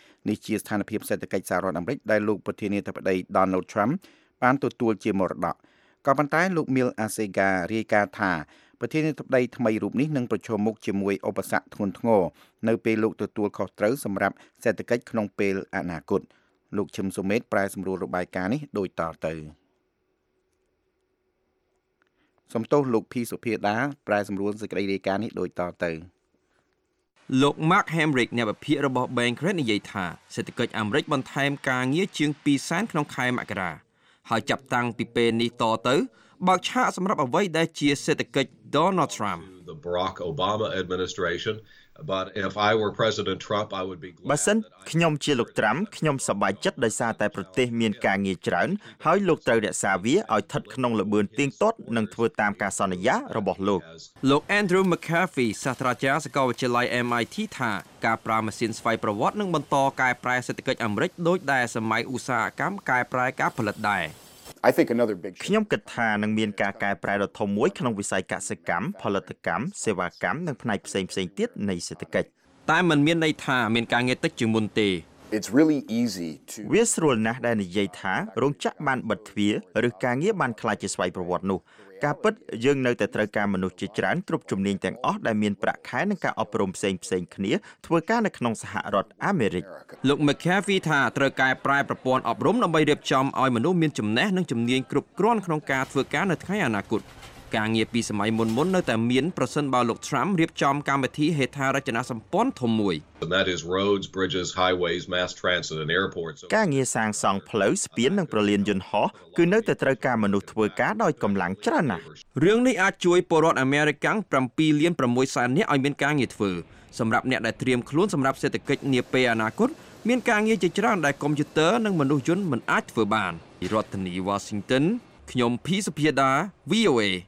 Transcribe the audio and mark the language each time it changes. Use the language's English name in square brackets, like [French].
[Khmer] នេះជាស្ថានភាពសេដ្ឋកិច្ចសហរដ្ឋអាមេរិកដែលលោកប្រធានាធិបតី Donald Trump បានទទួលជាមរតកក៏ប៉ុន្តែលោក Mil Asega រាយការណ៍ថាប្រធានាធិបតីថ្មីរូបនេះនឹងប្រឈមមុខជាមួយឧបសគ្គធ្ងន់ធ្ងរនៅពេលលោកទទួលខុសត្រូវសម្រាប់សេដ្ឋកិច្ចក្នុងពេលអនាគតលោកឈឹមសុមេតប្រែសម្រួលរបាយការណ៍នេះដូចតទៅសំទោសលោកភីសុភាដាប្រែសម្រួលសេចក្តីរាយការណ៍នេះដូចតទៅ លោក Mark Hemrick អ្នកវិភាគរបស់ Bankrate និយាយថាសេដ្ឋកិច្ចអាមេរិកបន្ថែមការងារជាង200,000ក្នុងខែមករាហើយចាប់តាំងពីពេលនេះតទៅបើកឆាកសម្រាប់អ្វីដែលជាសេដ្ឋកិច្ច Donald Trump [English] The Barack Obama administration but if I were President Trump I would be glad [Khmer] បើសិនខ្ញុំជាលោកត្រាំខ្ញុំសប្បាយចិត្តដោយសារតែប្រទេសមានការងារច្រើនហើយលោកត្រូវរក្សាវាឲ្យស្ថិតក្នុងល្បឿនទៀងទាត់និងធ្វើតាមការសន្យារបស់លោក លោក Andrew McCarthy សាស្ត្រាចារ្យសាកលវិទ្យាល័យ MIT ថាការប្រើម៉ាស៊ីនស្វ័យប្រវត្តិនឹងបន្តកែប្រែសេដ្ឋកិច្ចអាមេរិកដោយដែរសម័យឧស្សាហកម្មកែប្រែការផលិតដែរ [English] I think another big [Khmer] ខ្ញុំគិតថានឹងមានការកែប្រែដ៏ធំមួយក្នុងវិស័យកសិកម្មផលិតកម្មសេវាកម្មនិងផ្នែកផ្សេងផ្សេងទៀតនៃសេដ្ឋកិច្ច តែมันមានន័យថាមានការងារតិចជាងមុនទេ [English] It's really easy to [Khmer] វាស្រួលណាស់ដែលនិយាយថារោងចក្របានបិទទ្វារឬការងារបានក្លាយជាស្វ័យប្រវត្តិនោះការពិតយើងនៅតែត្រូវការមនុស្សជាច្រើនគ្រប់ជំនាញទាំងអស់ដែលមានប្រាក់ខែនិងការអប់រំផ្សេងផ្សេងគ្នាធ្វើការនៅក្នុងសហរដ្ឋអាមេរិក លោក McCarthy ថាត្រូវកែប្រែប្រព័ន្ធអប់រំដើម្បីរៀបចំឲ្យមនុស្សមានចំណេះនិងជំនាញគ្រប់គ្រាន់ក្នុងការធ្វើការនៅថ្ងៃអនាគតការងារពីសម័យមុនៗនៅតែមានប្រសិនបើលោក Trump រៀបចំកម្មវិធីហេដ្ឋារចនាសម្ព័ន្ធធំមួយ [English] That is roads, bridges, highways, mass transit and airports. [Khmer] ការងារសាងសង់ផ្លូវស្ពាននិងប្រលានយន្តហោះគឺនៅតែត្រូវការមនុស្សធ្វើការដោយកម្លាំងច្រើនណាស់រឿងនេះអាចជួយពលរដ្ឋអាមេរិកាំង 7.6 លាននាក់ឲ្យមានការងារធ្វើសម្រាប់អ្នកដែលត្រៀមខ្លួនសម្រាប់សេដ្ឋកិច្ចនាពេលអនាគតមានការងារជាច្រើនដែលកុំព្យូទ័រនិងមនុស្សយន្តមិនអាចធ្វើបានរដ្ឋធានី Washington ខ្ញុំភីសុភាដា VOA